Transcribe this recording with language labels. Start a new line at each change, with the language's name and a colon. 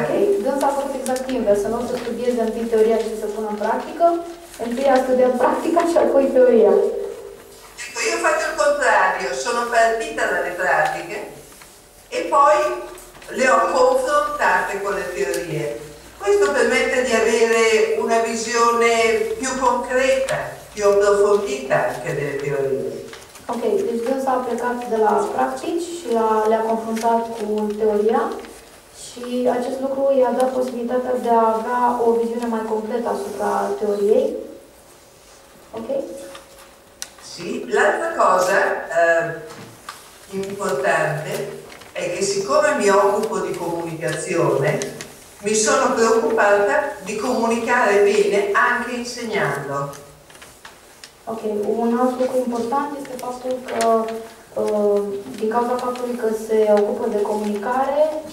Romanian: Ok, dânsa a fost exact invers, să nu o să studieze întâi teoria și să pună în practică, întâi a studiat practica și apoi teoria.
Italian: Ecco, io faccio il contrario, sono partita dalle pratiche e poi le ho confrontate con le teorie. Questo permette di avere una visione più concreta, più approfondita anche delle teorie.
Romanian: Ok, deci dânsa a plecat de la practici și le-a confruntat cu teoria și acest lucru i-a dat posibilitatea de a avea o viziune mai completă asupra teoriei. Ok?
Italian: Sì, l'altra cosa importante è che siccome mi occupo di comunicazione, mi sono preoccupata di comunicare bene anche insegnando.
Romanian: Ok, un alt lucru important este faptul că, din cauza faptului că se ocupă de comunicare,